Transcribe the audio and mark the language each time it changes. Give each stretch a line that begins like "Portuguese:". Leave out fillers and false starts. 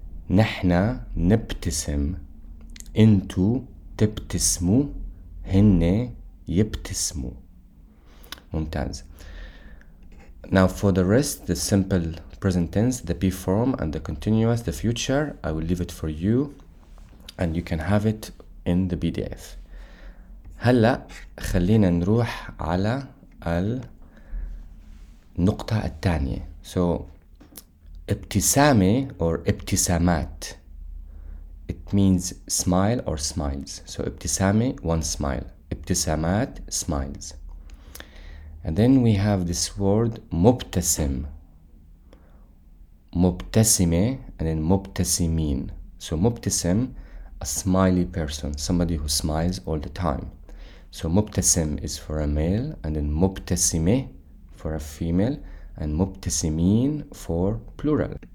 Arabic: نحن نبتسم. أنتو تبتسموا. هن يبتسموا. ممتاز.
English: Now for the rest, the simple present tense, the be form, and the continuous, the future, I will leave it for you, and you can have it in the PDF.
Arabic: هلا خلينا نروح على النقطة الثانية.
English: So ابتسامة or ابتسامات. It means smile or smiles. So ابتسامة, one smile. ابتسامات, smiles. And then we have this word مبتسم.
Arabic: مبتسمة and then مبتسمين.
English: So مبتسم, a smiley person, somebody who smiles all the time. So مبتسم is for a male, and then مبتسمة for a female, and مبتسمين for plural.